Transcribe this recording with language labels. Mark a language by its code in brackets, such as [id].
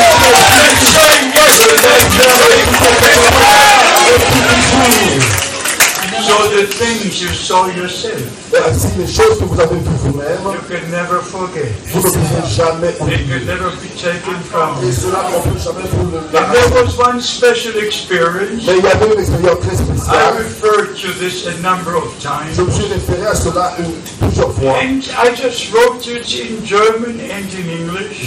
[en] The same yesterday, today. So the things you saw yourself, [fr] les choses que vous avez vu vous-même, [en] you can never forget. [fr] Vous ne pouvez jamais oublier. [en] It could never be taken from. [fr] Et cela, on peut jamais vous le garder. [en] But there was one special experience. [fr] Mais il y avait une expérience très spéciale. [en] I referred to this a number of times. [fr] Je me suis référé à cela plusieurs fois. [en] And I just wrote to it in German and in English.